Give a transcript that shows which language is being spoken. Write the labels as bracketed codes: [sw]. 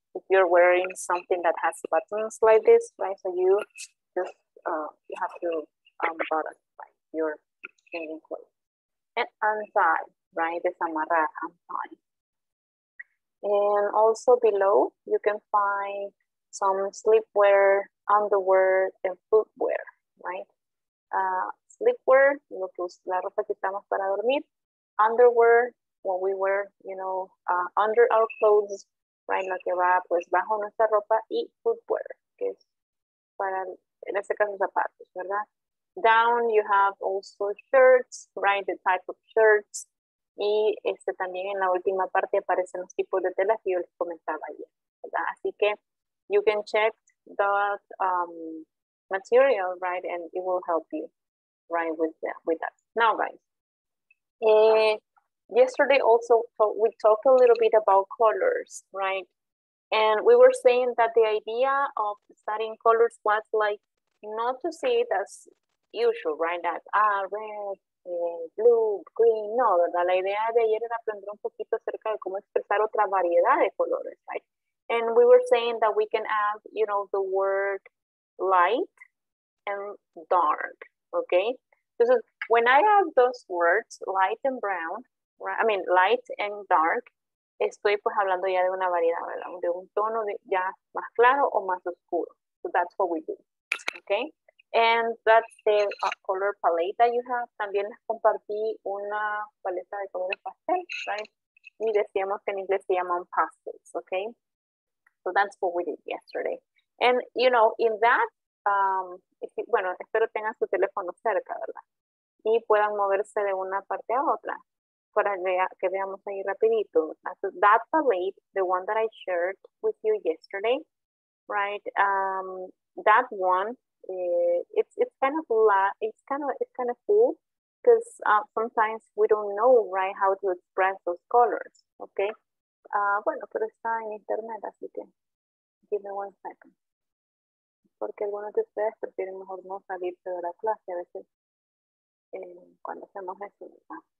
[en] If you're wearing something that has buttons like this, right, so you just you have to unbutton, right, your changing clothes. And untie, right? Desamarrar, untie. And also below, you can find some sleepwear, underwear, and footwear, right? [es] Sleepwear, lo que es la ropa que estamos para dormir. [en] Underwear, what we wear, you know, under our clothes, right? [es] Lo que va, pues, bajo nuestra ropa. Y footwear, que es para, en este caso, zapatos, ¿verdad? [en] Down, you have also shirts, right? The type of shirts. [es] Y este también en la última parte aparecen los tipos de telas que yo les comentaba ayer, ¿verdad? Así que [en] you can check that material, right? And it will help you, right, with that. Now, guys, yesterday also we talked a little bit about colors, right? And we were saying that the idea of studying colors was like not to see it as usual, right? That red, blue, green, no, ¿verdad? [es] La idea de ayer era aprender un poquito acerca de cómo expresar otra variedad de colores, right? [en] And we were saying that we can add, you know, the word light and dark, okay? So when I have those words, light and brown, right? I mean, light and dark, [es] estoy pues hablando ya de una variedad, ¿verdad? De un tono de, ya más claro o más oscuro. [en] So that's what we do, okay? And that's the color palette that you have. [es] También les compartí una paleta de colores pastel, right? Y decíamos que en inglés se llaman pastels, okay? [en] So that's what we did yesterday. And, you know, in that, [es] bueno, espero tengan su teléfono cerca, ¿verdad? Y puedan moverse de una parte a otra para que veamos ahí rapidito. [en] So that palette, the one that I shared with you yesterday, right? That one, it's kind of cool because sometimes we don't know, right, how to express those colors, okay? [es] Bueno, pero está en internet, así que [en] give me one second. [es] Porque algunos de ustedes prefieren mejor no salirse de la clase a veces cuando hacemos eso, ¿verdad? Okay.